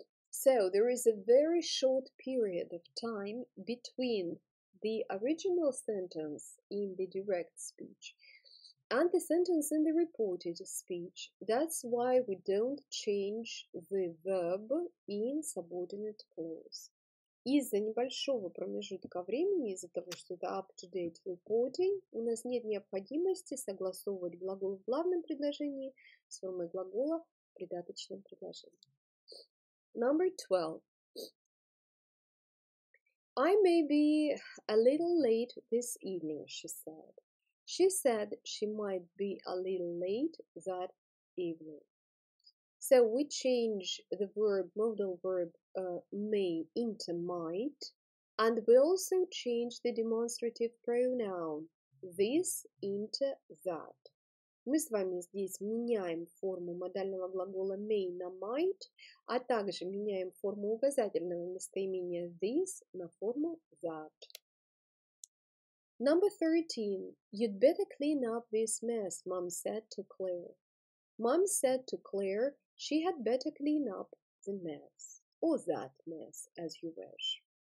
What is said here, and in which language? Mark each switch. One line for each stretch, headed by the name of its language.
English: So there is a very short period of time between the original sentence in the direct speech and the sentence in the reported speech. That's why we don't change the verb in subordinate clause.
Russian: Из-за небольшого промежутка времени, из-за того, что это
English: up-to-date reporting,
Russian: у нас нет необходимости согласовывать глагол в главном предложении с формой глагола в придаточном предложении.
English: Number 12. I may be a little late this evening, she said. She said she might be a little late that evening. So we change the verb, modal verb, may into might, and we also change the demonstrative pronoun this into that.
Russian: Мы с вами здесь меняем форму модального глагола
English: may
Russian: на
English: might,
Russian: а также меняем форму указательного местоимения
English: this
Russian: на форму
English: that. Number 13. You'd better clean up this mess, Mom said to Claire. Mom said to Claire, she had better clean up the mess, or that mess, as you wish.